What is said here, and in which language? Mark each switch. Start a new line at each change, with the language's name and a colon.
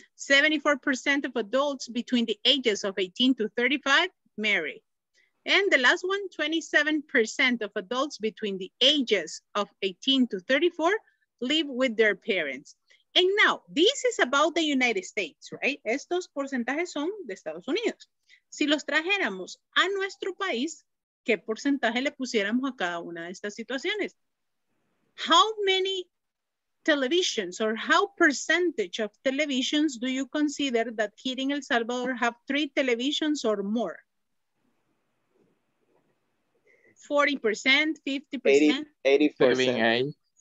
English: 74% of adults between the ages of 18 to 35 marry. And the last one, 27% of adults between the ages of 18 to 34 live with their parents. And now, this is about the United States, right?
Spanish: Estos porcentajes son de Estados Unidos. Si los trajéramos a nuestro país, ¿qué porcentaje le pusiéramos a cada una de estas situaciones?
English: How many televisions, or how percentage of televisions do you consider that here in El Salvador have three televisions or more? 40%, 50%?